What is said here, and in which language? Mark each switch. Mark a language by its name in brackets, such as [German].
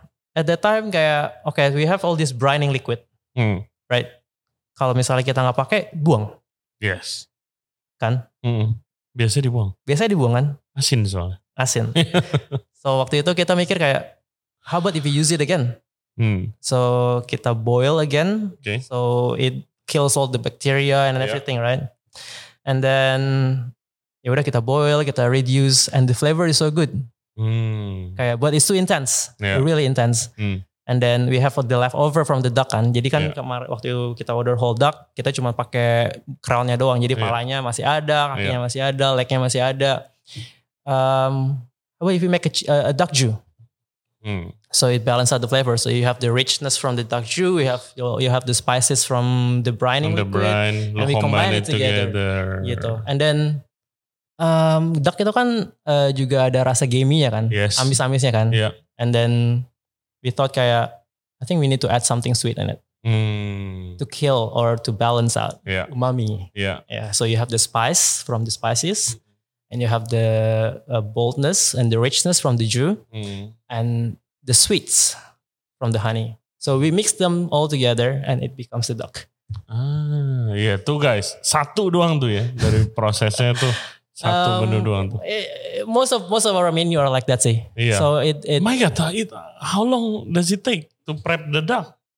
[English] At that time, kayak okay, we have all this brining liquid, right? [Indonesian] Kalau misalnya kita nggak pakai, buang. [English] Yes. [Indonesian] Kan? Biasa dibuang. Biasa dibuang kan? Asin soalnya. [English] Asin. So [Indonesian] waktu itu kita mikir kayak, [English] how about if we use it again? So kita boil again. Okay. So it kills all the bacteria and everything, right? And then [Indonesian] ya udah kita [English] boil, kita reduce, and the flavor is so good. Kayak, but it's too intense. Yeah. Really intense. And then we have the leftover from the duck kan. [Indonesian] Jadi kan waktu kita [English] order whole duck, [Indonesian] kita cuma pakai crownnya doang. Jadi palanya masih ada, kakinya masih ada, legnya masih ada. [English] What if you make a duck jus? So it balances out the flavor. So you have the richness from the duck jus. You have the spices from the brining. From the brine. And we combine it together. [Indonesian] Gitu. [English] And then [Indonesian] duck itu kan juga ada rasa gamey-nya kan. [English] Yes. [Indonesian] Amis-amisnya kan. [English] Yeah. And then we thought kayak, I think we need to add something sweet in it. To kill or to balance out umami. Yeah. So you have the spice from the spices. And you have the boldness and the richness from the jus and the sweets from the honey. So we mix them all together and it becomes the duck. [Indonesian] Tuh guys, satu doang tuh ya dari prosesnya tuh. Satu menu doang tuh. [English] Most of our menu are like that sih. Yeah. So it my God, how long does it take to prep the duck?